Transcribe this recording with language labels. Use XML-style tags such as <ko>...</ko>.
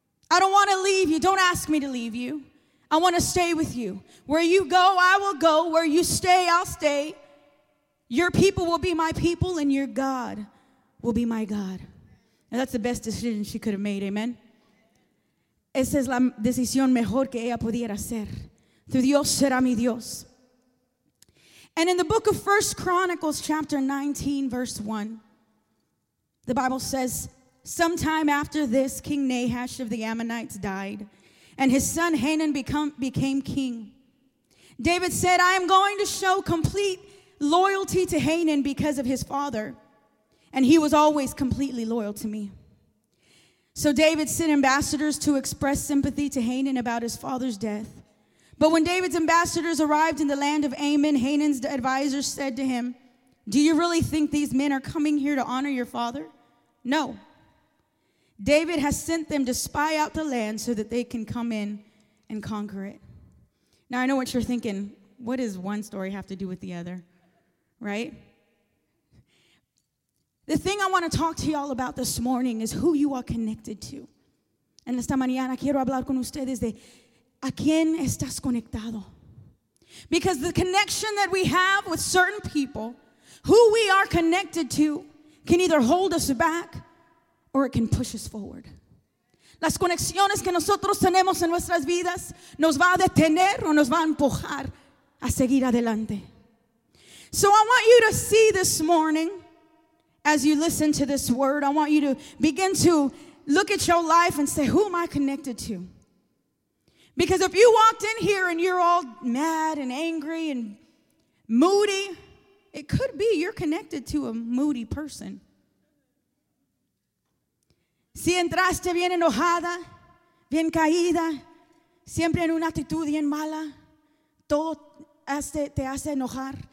<en>I don't want to leave you. Don't ask me to leave you. I want to stay with you. Where you go, I will go. Where you stay, I'll stay. Your people will be my people, and your God will be my God." And that's the best decision she could have made, amen?</en> <es>Esa es la decisión mejor que ella pudiera hacer. Tu Dios será mi Dios.</es> <en>And in the book of 1 Chronicles, chapter 19, verse 1, the Bible says, "Sometime after this, King Nahash of the Ammonites died, and his son Hanan became king. David said, 'I am going to show complete loyalty to Hanan because of his father, and he was always completely loyal to me.' So David sent ambassadors to express sympathy to Hanan about his father's death. But when David's ambassadors arrived in the land of Ammon, Hanan's advisors said to him, 'Do you really think these men are coming here to honor your father? No. David has sent them to spy out the land so that they can come in and conquer it.'" Now I know what you're thinking. What does one story have to do with the other? Right? The thing I want to talk to y'all about this morning is who you are connected to.</en> <es>En esta mañana quiero hablar con ustedes de a quién estás conectado.</es> <en>Because the connection that we have with certain people, who we are connected to, can either hold us back or it can push us forward.</en> <es>Las conexiones que nosotros tenemos en nuestras vidas nos va a detener o nos va a empujar a seguir adelante.</es> <en>So I want you to see this morning, as you listen to this word, I want you to begin to look at your life and say, who am I connected to? Because if you walked in here and you're all mad and angry and moody, it could be you're connected to a moody person.</en> <es>Si entraste bien enojada, bien caída, siempre en una actitud bien mala, todo te hace enojar.</es>